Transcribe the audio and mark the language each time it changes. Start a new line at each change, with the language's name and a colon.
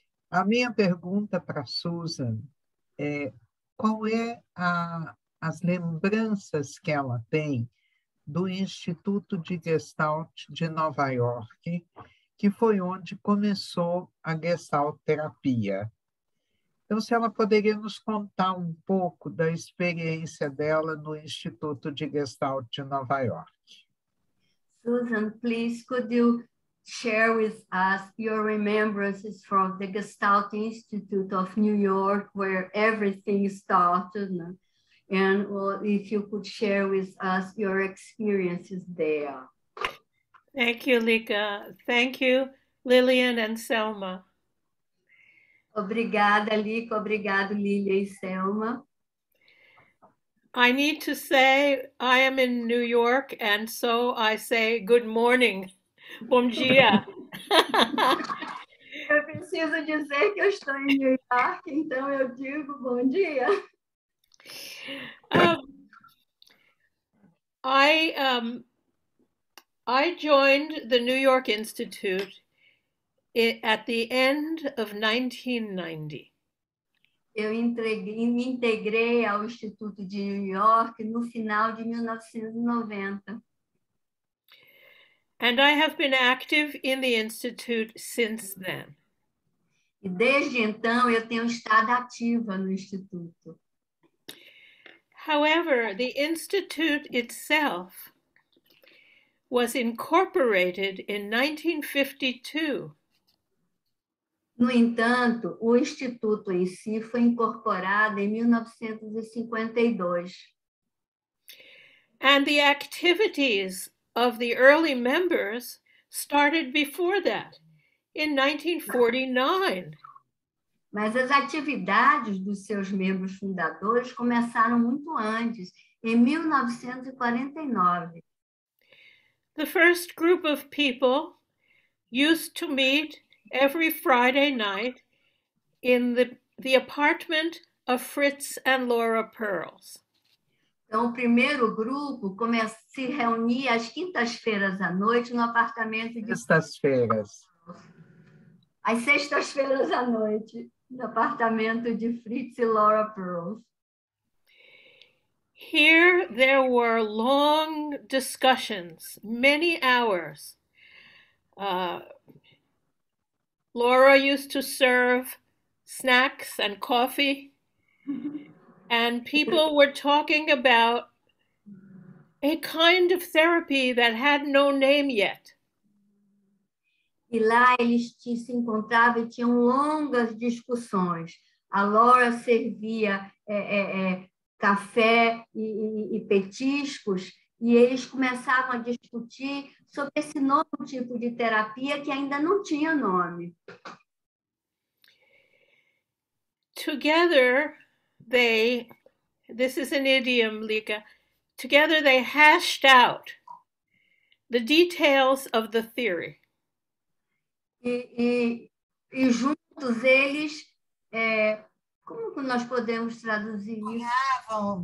Portuguese: A minha pergunta para a Susan é qual é as lembranças que ela tem do Instituto de Gestalt de Nova York, que foi onde começou a gestaltterapia. Então, se ela poderia nos contar um pouco da experiência dela no Instituto de Gestalt de Nova York.
English: Susan, please, could you share with us your remembrances from the Gestalt Institute of New York, where everything started, né? And if you could share with us your experiences there. Thank you, Lika. Thank you, Lilian and Selma.
Portuguese: Obrigada, Lika. Obrigado, Lilian e Selma.
English: I need to say I am in New York, and so I say good morning.
Portuguese: Bom dia. Eu preciso dizer que eu estou em New York, então eu digo bom dia.
English: I joined the New York Institute at the end of 1990.
Portuguese: Me integrei ao Instituto de New York no final de 1990.
English: And I have been active in the Institute since then.
Portuguese: E desde então eu tenho estado ativa no Instituto.
English: However, the Institute itself was incorporated in 1952.
Portuguese: No entanto, o Instituto em si foi incorporado em 1952.
English: And the activities of the early members started before that, in 1949.
Portuguese: Mas as atividades dos seus membros fundadores começaram muito antes, em 1949.
English: The first group of people used to meet every Friday night in the apartment of Fritz and Laura Perls.
Portuguese: Então, o primeiro grupo se reunia às quintas-feiras à noite no apartamento de... Sextas-feiras. Às sextas-feiras à noite, no apartamento de Fritz e Laura Perls.
English: Here there were long discussions, many hours. Laura used to serve snacks and coffee, and people were talking about a kind of therapy that had no name yet.
Portuguese: E lá eles se encontravam e tinham longas discussões. A Laura servia café e petiscos, e eles começavam a discutir sobre esse novo tipo de terapia que ainda não tinha nome.
English: Together, they, this is an idiom, Lika, together they hashed out the details of the theory.
Portuguese: E juntos eles Como nós podemos traduzir isso?